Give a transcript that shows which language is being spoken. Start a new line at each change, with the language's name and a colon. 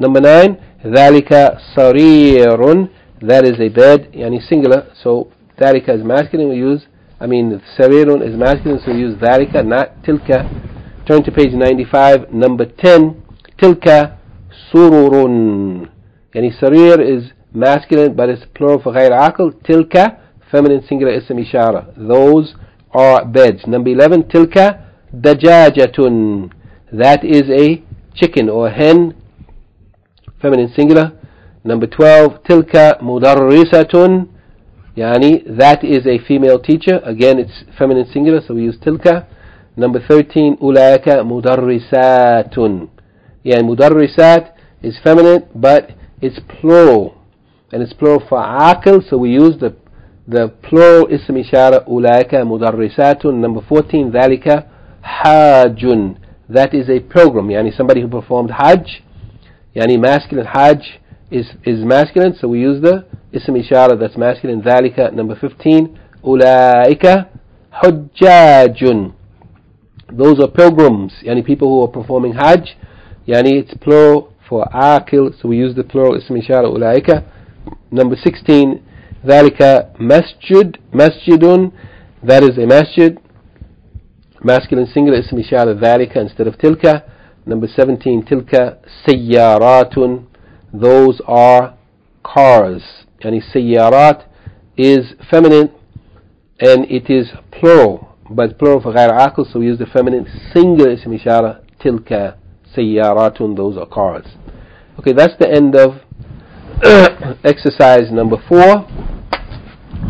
English: Number nine,
Arabic: thalika sarirun,
English: that is a bed, yani singular, so ذَلِكَ is masculine, سَرِيرٌ is masculine, so we use ذَلِكَ, not تِلْكَ. Turn to page 95, number 10,
Arabic: تِلْكَ سُرُرٌ.
English: يعني سَرِير is masculine, but it's plural for غَيْرَ عَقْل. تِلْكَ, feminine singular ism إشارة. Those are beds.
Arabic: Number 11, تِلْكَ دَجَاجَةٌ.
English: That is a chicken or a hen, feminine singular.
Arabic: Number 12, تِلْكَ مُدَرِّسَةٌ.
English: Yani, that is a female teacher. Again, it's feminine singular, so we use tilka.
Arabic: Number 13, ulaika mudarrisatun.
English: Yani, mudarrisat is feminine, but it's plural. And it's plural for aqil, so we use the plural ism ishara,
Arabic: ulaika mudarrisatun.
English: Number 14,
Arabic: thalika hajun.
English: That is a pilgrim. Yani, somebody who performed hajj. Yani, masculine hajj is masculine, so we use the ism ishara, that's masculine, ذَلِكَ.
Arabic: Number 15, أُولَٰئِكَ حُجَّاجٌ.
English: Those are pilgrims, yani people who are performing hajj. Yani, it's plural for aqil, so we use the plural ism ishara, أُولَٰئِكَ.
Arabic: Number 16, ذَلِكَ مَسْجِدٌ.
English: That is a masjid. Masculine singular ism ishara, ذَلِكَ, instead of تِلْكَ.
Arabic: Number 17, تِلْكَ سَيَّارَاتٌ.
English: Those are cars. Yani سيارات is feminine and it is plural, but plural for غير عقل, so we use the feminine singular ism إشارة,
Arabic: تلك سيارات,
English: those are cars. Okay, that's the end of exercise number 4.